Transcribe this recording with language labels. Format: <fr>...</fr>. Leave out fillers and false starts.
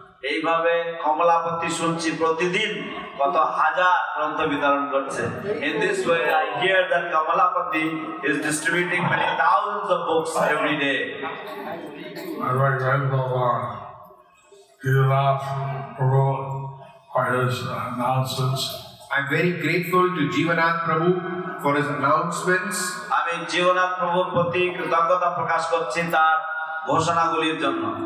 <bn>এইভাবে কমলাপতি শুনছি প্রতিদিন কত হাজার গ্রন্থ বিতরণ করছে।</bn> <en>In this way, I hear that Kamalapati is distributing many thousands of books every day. My grandfather, I'm very grateful to Jivanath Prabhu for his announcements.</en> <bn>আমি জীবনাথ প্রভুর প্রতি কৃতজ্ঞতা প্রকাশ করছি তার ঘোষণাগুলির জন্য।</bn>